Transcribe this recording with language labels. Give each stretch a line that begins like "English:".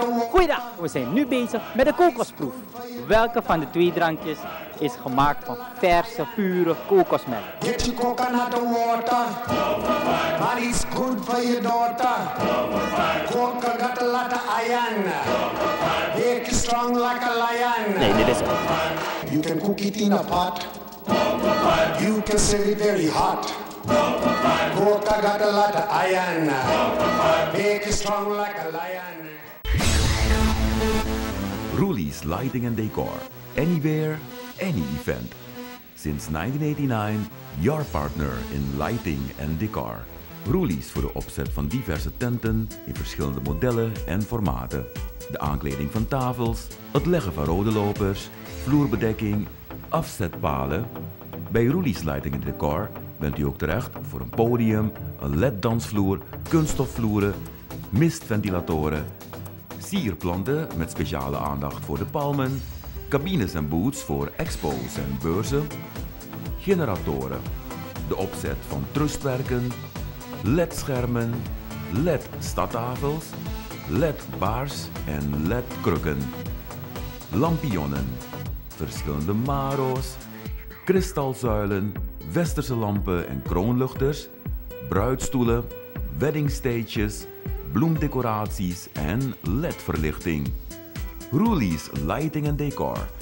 Dutch: Goeiedag, we zijn nu bezig met de kokosproef. Welke van de twee drankjes is gemaakt van verse, pure kokosmelk?
English: Get your coconut water, but it's good for your daughter. Coconut water, iron, make it strong like a lion.
Dutch: Nee, dit is het.
English: You can cook it in a pot, you can serve it very hot. Coconut water, iron, make it strong like a lion. Roelie's Lighting and Decor. Anywhere, any event. Since 1989, your partner in lighting and decor.
Dutch: Roelie's voor de opzet van diverse tenten in verschillende modellen en formaten. De aankleding van tafels, het leggen van rode lopers, vloerbedekking, afzetpalen. Bij Roelie's Lighting and Decor bent u ook terecht voor een podium, een LED-dansvloer, kunststofvloeren, mistventilatoren, sierplanten met speciale aandacht voor de palmen, cabines en booths voor expo's en beurzen, generatoren, de opzet van trustwerken, LED-schermen, LED-stadtafels, LED-baars en LED-krukken, lampionnen, verschillende maro's, kristalzuilen, westerse lampen en kroonluchters, bruidstoelen, weddingstages, bloemdecoraties en LED-verlichting. Roelie's Lighting and Decor.